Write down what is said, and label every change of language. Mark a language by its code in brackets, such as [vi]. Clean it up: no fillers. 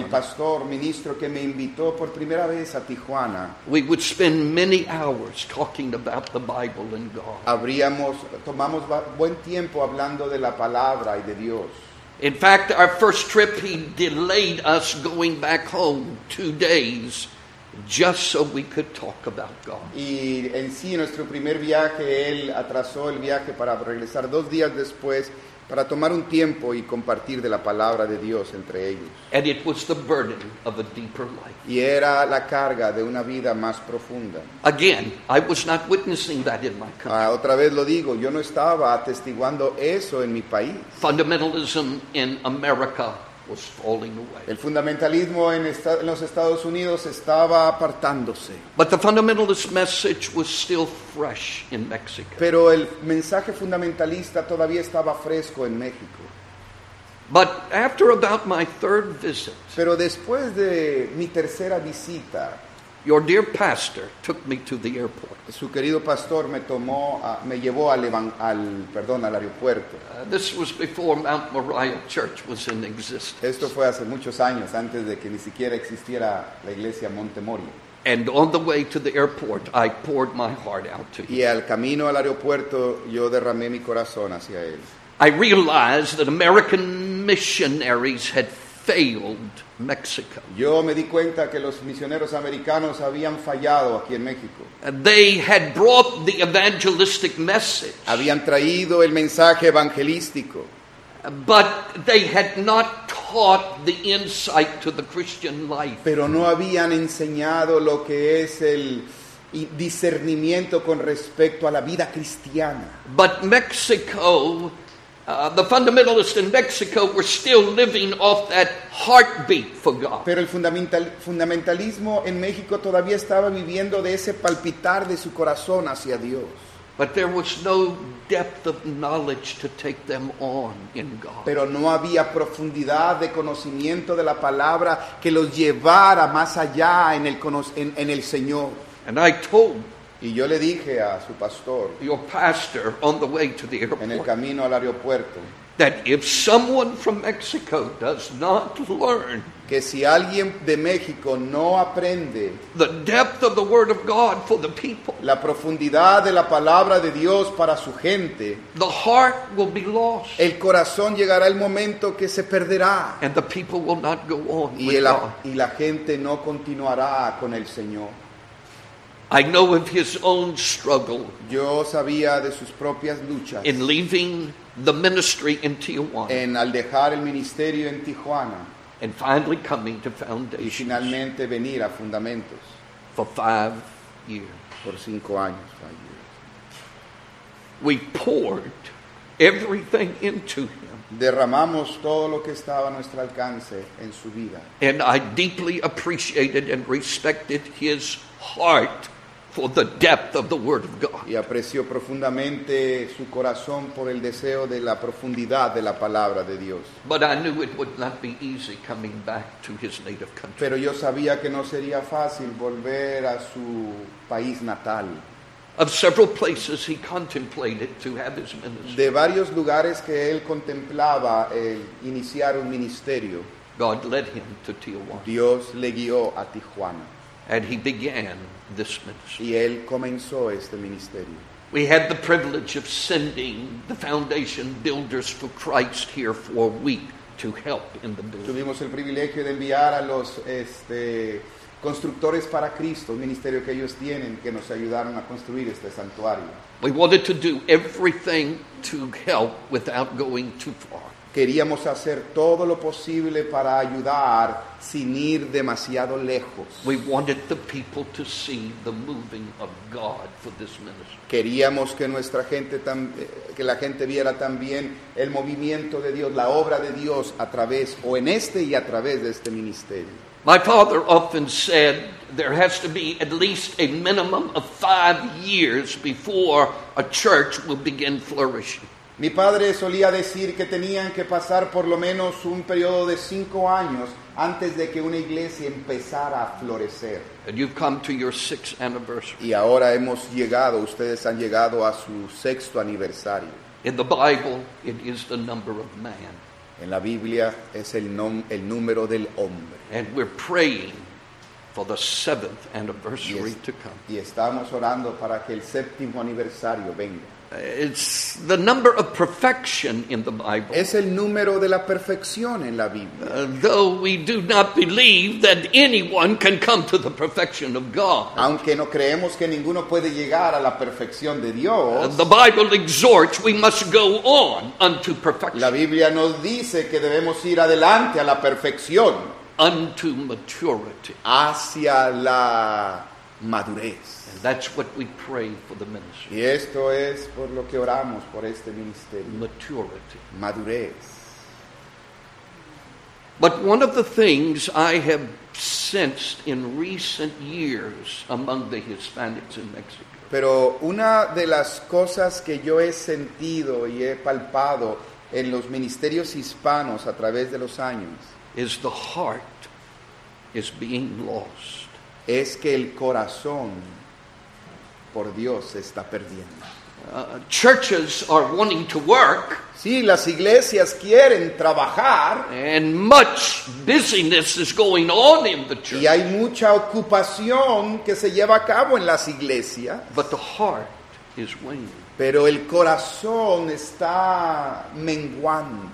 [es] El pastor, ministro que me invitó por primera vez a Tijuana. [en] We would spend many hours talking about the Bible and God. [es] Tomamos buen tiempo hablando de la palabra y de Dios. [en] In fact, our first trip, he delayed us going back home 2 days just so we could talk about God. [es] Y en sí, nuestro primer viaje, él atrasó el viaje para regresar 2 días después, para tomar un tiempo y compartir de la palabra de Dios entre ellos. [en] And it was the burden of a deeper life. [es] Y era la carga de una vida más profunda. [en] Again, I was not witnessing that in my country. [es] Otra vez lo digo, yo no estaba atestiguando eso en mi país. [en] Fundamentalism in America was falling away. [es] El fundamentalismo en los Estados Unidos estaba apartándose. [en] But the fundamentalist message was still fresh in Mexico. [es] Pero el mensaje fundamentalista todavía estaba fresco en México. [en] But after about my third visit, [es] pero después de mi tercera visita, [en] your dear pastor took me to the airport. [es] Su querido pastor me llevó al aeropuerto. [en] This was before Mount Moriah Church was in existence. [es] Esto fue hace muchos años, antes de que ni siquiera existiera la iglesia Monte Moriah. [en] And on the way to the airport, I poured my heart out to him. [es] Y al camino al aeropuerto, yo derramé mi corazón hacia él. [en] I realized that American missionaries had failed Mexico. [es] Yo me di cuenta que los misioneros americanos habían fallado aquí en México. [en] They had brought the evangelistic message. [es] Habían traído el mensaje evangelístico. [en] But they had not taught the insight to the Christian life. [es] Pero no habían enseñado lo que es el discernimiento con respecto a la vida cristiana. [en] But Mexico, the fundamentalists in Mexico were still living off that heartbeat for God. [es] Pero el fundamentalismo en México todavía estaba viviendo de ese palpitar de su corazón hacia Dios. [en] But there was no depth of knowledge to take them on in God. [es] Pero no había profundidad de conocimiento de la palabra que los llevara más allá en el Señor. [en] And I told, [es] y yo le dije a su pastor, [en] your pastor on the way to the airport, [es] en el camino al aeropuerto, [en] that if someone from Mexico does not learn [es] que si alguien de México no aprende [en] the depth of the word of God for the people, [es] la profundidad de la palabra de Dios para su gente, [en] the heart will be lost. [es] El corazón llegará el momento que se perderá. [en] And the people will not go on [es] y, [en] with [es] la, [en] God. [es] Y la gente no continuará con el Señor. [en] I know of his own struggle. [es] Yo sabía de sus propias luchas. [en] In leaving the ministry in Tijuana. [es] En al dejar el ministerio en Tijuana. [en] And finally coming to Foundations. [es] Y finalmente venir a Fundamentos. [en] For 5 years. [es] Por 5 años. [en] 5 years. We poured everything into him. [es] Derramamos todo lo que estaba a nuestro alcance en su vida. [en] And I deeply appreciated and respected his heart for the depth of the word of God. [es] Y aprecio profundamente su corazón por el deseo de la profundidad de la palabra de Dios. [en] But I knew it would not be easy coming back to his native country. [es] Pero yo sabía que no sería fácil volver a su país natal. [en] Of several places he contemplated to have his ministry. [es] De varios lugares que él contemplaba el iniciar un ministerio. [en] God led him to Tijuana. [es] Dios le guió a Tijuana. [en] And he began this ministry. [es] Y él comenzó este ministerio. [en] We had the privilege of sending the foundation builders for Christ here for a week to help in the building. [es] Tuvimos el privilegio de enviar a los constructores para Cristo, un ministerio que ellos tienen, que nos ayudaron a construir este santuario. [en] We wanted to do everything to help without going too far. [es] Queríamos hacer todo lo posible para ayudar sin ir demasiado lejos. [en] We wanted the people to see the moving of God for this ministry. [es] Queríamos que nuestra gente que la gente viera también el movimiento de Dios, la obra de Dios a través o en este y a través de este ministerio. [en] My father often said there has to be at least a minimum of 5 years before a church will begin flourishing. [es] Mi padre solía decir que tenían que pasar por lo menos un periodo de 5 años antes de que una iglesia empezara a florecer. [en] And you've come to your 6th anniversary. [es] Y ahora hemos llegado, ustedes han llegado a su 6th aniversario. [en] In the Bible, it is the number of man. [es] En la Biblia es el número del hombre. [en] And we're praying for the 7th anniversary to come. [es] Y estamos orando para que el 7th aniversario venga. [en] It's the number of perfection in the Bible. [es] Es el número de la perfección en la Biblia. [en] Though we do not believe that anyone can come to the perfection of God. [es] Aunque no creemos que ninguno puede llegar a la perfección de Dios. [en] The Bible exhorts we must go on unto perfection. [es] La Biblia nos dice que debemos ir adelante a la perfección. [en] Unto maturity. [es] Hacia la madurez. [en] That's what we pray for the ministry. [es] Y esto es por lo que oramos por este ministerio. [en] Maturity. [es] Madurez. [en] But one of the things I have sensed in recent years among the Hispanics in Mexico. [es] Pero una de las cosas que yo he sentido y he palpado en los ministerios hispanos a través de los años [en] is the heart is being lost. [es] Es que el corazón por Dios se está perdiendo. [en] Churches are wanting to work. [es] Sí, las iglesias quieren trabajar. [en] And much busyness is going on in the church. [es] Y hay mucha ocupación que se lleva a cabo en las iglesias. [en] But the heart is waning. [es] Pero el corazón está menguando.